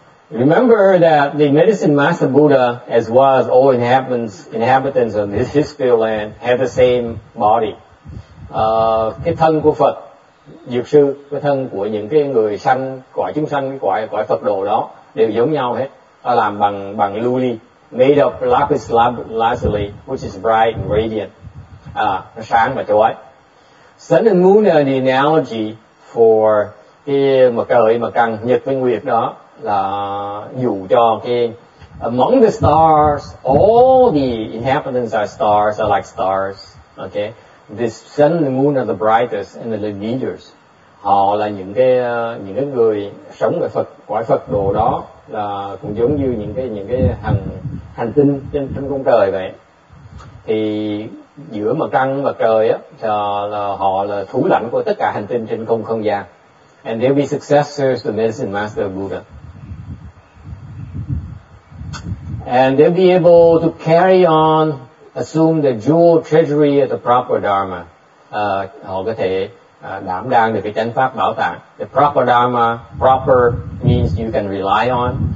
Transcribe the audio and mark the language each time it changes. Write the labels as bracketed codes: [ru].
[en] Remember that the medicine master Buddha, as well as all inhabitants of this physical land, have the same body. [vi] Cái thân của Phật, Dược Sư, cái thân của những cái người sanh, cõi chúng sanh, cõi Phật đồ đó, đều giống nhau hết. Ta làm bằng lưu ly, [en] made of lapis lazuli, which is bright and radiant. [vi] Nó sáng và chói. [en] Sun and moon are the analogy for [vi] cái mặt trời, mặt trăng, nhật với nguyệt đó là dụ cho cái [en] among the stars, all the inhabitants are stars, are like stars, okay? this sun and moon are the brightest and the leaders. [vi] Họ là những cái người sống ở Phật, quả Phật độ đó là cũng giống như những cái hành hành tinh trên trên con trời vậy. Thì giữa mặt trăng và trời á là họ là thủ lãnh của tất cả hành tinh trên không không gian. [en] And they'll be successors to Medicine Master Buddha. And they'll be able to carry on, assume the jewel treasury of the proper Dharma. [vi] Họ có thể đảm đang được cái chánh pháp bảo tàng. [en] The proper Dharma, proper means you can rely on.